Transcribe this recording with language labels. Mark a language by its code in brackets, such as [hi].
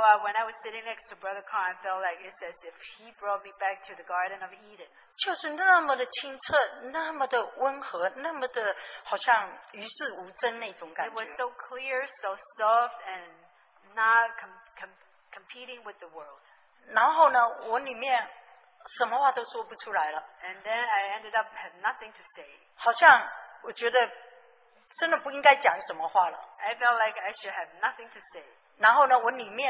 [en] when I was sitting next to Brother Khan, I felt like it's as if he brought me back to the Garden of Eden. [zh] 就是那么的清澈，那么的温和，那么的好像与世无争那种感觉。 [en] It was so clear, so soft, and not competing with the world. [zh] 然后呢，我里面。什么话都说不出来了, [en] and then I ended up having nothing to say. [zh] 好像我觉得真的不应该讲什么话了。 [en] I felt like I should have nothing to say.